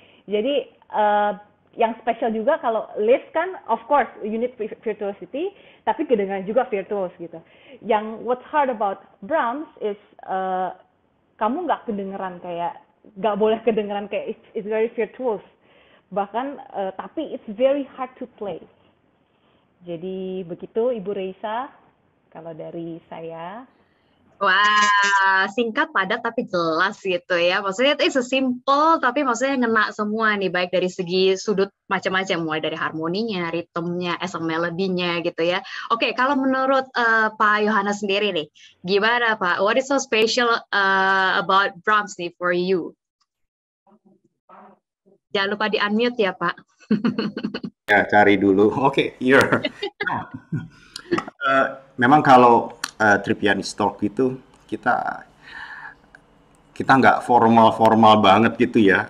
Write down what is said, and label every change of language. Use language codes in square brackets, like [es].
[id] Jadi yang spesial juga kalau Liszt kan [en] of course you need virtuosity [id] tapi kedengeran juga virtuos gitu. [en] Yang what's hard about Brahms is [id] kamu nggak kedengeran kayak [en] gak boleh kedengeran kayak it's very virtuous [id] bahkan tapi [en] it's very hard to play. [id] Jadi begitu Ibu Reisa kalau dari saya. Wah, singkat padat tapi jelas gitu ya. Maksudnya itu simple tapi maksudnya ngena semua nih baik dari segi sudut macam-macam mulai dari harmoninya, ritmenya, esang melodinya gitu ya. Oke, kalau menurut Pak Yohanes sendiri nih, gimana Pak? [en] What is so special about Brahms nih for you? [id] Jangan lupa di unmute ya Pak. Ya cari dulu. Oke, okay, here. memang kalau Tripianis talk itu kita nggak formal-formal banget gitu ya.